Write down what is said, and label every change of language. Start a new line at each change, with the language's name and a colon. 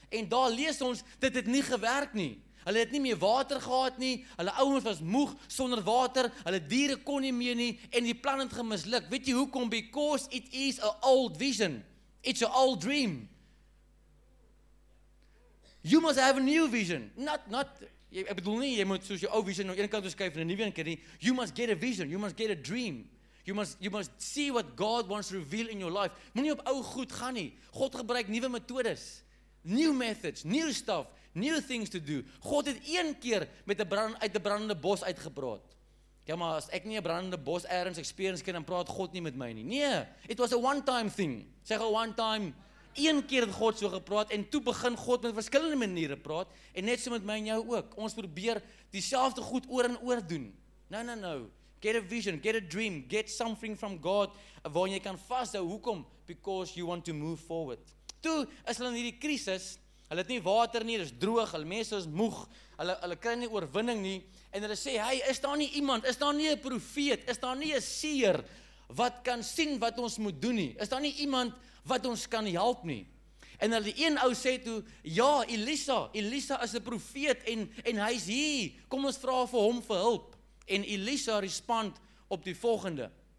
Afrikaans: En daar lees ons, dit het nie gewerk nie. Hulle het nie meer water gehad nie, hulle ouens was moeg sonder water, hulle diere kon nie meer nie, en die plan het gemisluk. Weet jy hoekom?
English: Because it is a old vision. It's an old dream. You must have a new vision.
Afrikaans: Ek bedoel nie, jy moet soos jou ou vision nou een kant toeskuif en een nieuwe kant nie.
English: You must get a vision. You must get a dream. You must see what God wants to reveal in your life.
Afrikaans: Moet nie op ou goed gaan nie. God gebruik nieuwe methodes.
English: New methods, new stuff, new things to do.
Afrikaans: God het een keer met uit die brandende bos uitgebraak. Ja, maar as ek nie 'n brandende bos ergens experience kan, dan praat God nie met my nie.
English: Nee, it was a one-time thing.
Afrikaans: Sê gou one-time, een keer het God so gepraat, en toe begin God met verskillende maniere praat, en net so met my en jou ook. Ons probeer dieselfde goed oor en oor doen.
English: No. Get a vision, get a dream, get something from God,
Afrikaans: waar jy kan vasthou, hoekom?
English: Because you want to move forward.
Afrikaans: Toe is hulle in hierdie krisis, hulle het nie water nie, dit is droog, hulle mense is moeg, hulle kry nie oorwinning nie, en hulle sê, hey, is daar nie iemand, is daar nie 'n profeet, is daar nie 'n seer, wat kan sien wat ons moet doen nie, is daar nie iemand wat ons kan help nie, en hulle die een ou sê toe, ja, Elisa is 'n profeet, en hy is hier, kom ons vra vir hom vir hulp, en Elisa respond op die volgende